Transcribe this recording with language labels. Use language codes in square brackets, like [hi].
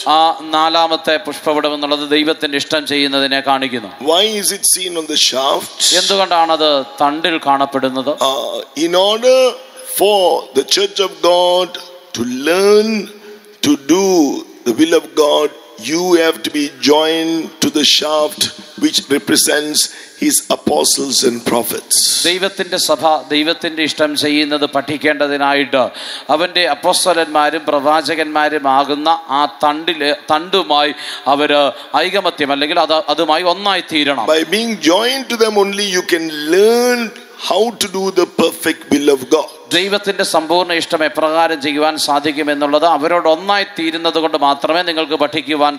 [ml] ആ നാലാമത്തെ പുഷ്പപുടം എന്നുള്ളത് ദൈവത്തിന്റെ ഇഷ്ടം ചെയ്യുന്നതിനെ കാണിക്കുന്നു. [en] Why is it seen on the shaft? [ml] എന്തുകൊണ്ടാണ് അത് തണ്ടിൽ കാണപ്പെടുന്നത്? [en] In order for the church of God to learn to do the will of God, you have to be joined to the shaft which represents his apostles and prophets. [ml] ദൈവത്തിന്റെ സഭ ദൈവത്തിന്റെ ഇഷ്ടം ചെയ്യുന്നത് പഠിക്കേണ്ടതിനായിട്ട് അവന്റെ അപ്പോസ്തലന്മാരും പ്രവാചകന്മാരും ആകുന്ന ആ തണ്ടിലെ തണ്ടുമായി അവര് ഐകമത്യം അല്ലെങ്കിൽ അതുമായി ഒന്നായി തീരണം. [en] By being joined to them only you can learn how to do the perfect will of God. [ml] ദൈവത്തിന്റെ സമ്പൂർണ്ണ ഇഷ്ടം എപ്രകാരം ചെയ്യുവാൻ സാധിക്കും എന്നുള്ളത് അവരോട് ഒന്നായി തീരുന്നത് കൊണ്ട് മാത്രമേ നിങ്ങൾക്ക് പഠിക്കുവാൻ